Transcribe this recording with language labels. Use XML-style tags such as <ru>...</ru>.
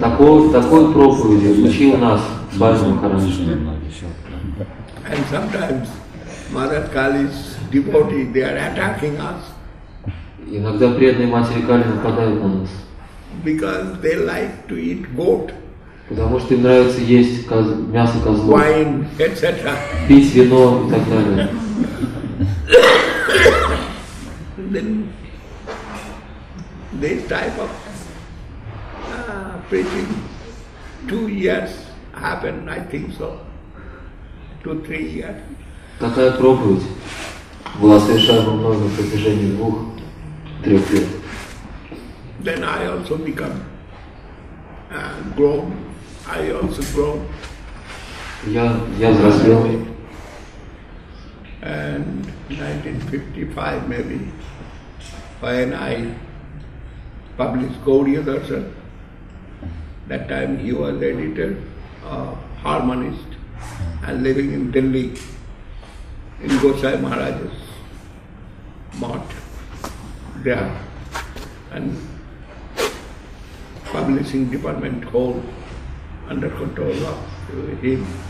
<ru>Такой проповеди учил нас Бхагаван Махараджи.</ru> <en>And sometimes Mother Kali's devotees, they are attacking us.</en> <ru>Иногда преданные матери Кали нападают на нас.</ru> <en>Because they like to eat goat.</en> <ru>Потому что им нравится есть мясо козлов.</ru> <en>Wine, etc.</en> <ru>Пить вино и так далее.</ru> <en>Then this type of preaching 2 years happened, I think so. 2-3 years.</en> <ru>Такая проповедь была совершена мной на протяжении 2-3 лет.</ru> <en>Then I also become grown. I also grown.</en> <ru>Я взрослел.</ru> <en>And 1955 maybe. When I published Gaudiya Darshan, that time he was editor, harmonist, and living in Delhi, in Gosai Maharaj's mart there, and publishing department hall under control of him.</en>